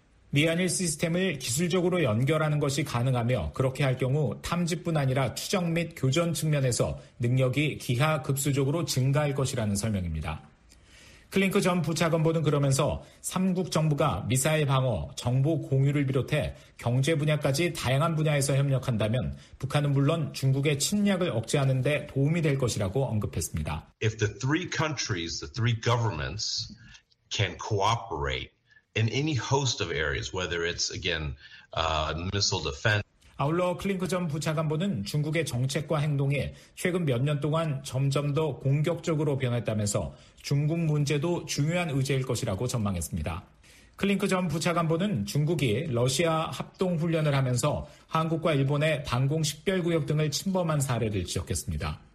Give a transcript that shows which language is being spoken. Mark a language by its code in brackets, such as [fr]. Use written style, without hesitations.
[ko] 미한일 시스템을 기술적으로 연결하는 것이 가능하며 그렇게 할 경우 탐지뿐 아니라 추적 및 교전 측면에서 능력이 기하급수적으로 증가할 것이라는 설명입니다. 클링크 전 부차관보는 그러면서 3국 정부가 미사일 방어, 정보 공유를 비롯해 경제 분야까지 다양한 분야에서 협력한다면 북한은 물론 중국의 침략을 억제하는 데 도움이 될 것이라고 언급했습니다. [en] If the three countries, the three governments can cooperate in any host of areas, whether it's again missile defense. [ko] 아울러 클링크 전 부차관보는 중국의 정책과 행동이 최근 몇 년 동안 점점 더 공격적으로 변했다면서 중국 문제도 중요한 의제일 것이라고 전망했습니다. 클링크 전 부차관보는 중국이 러시아 합동훈련을 하면서 한국과 일본의 방공식별구역 등을 침범한 사례를 지적했습니다.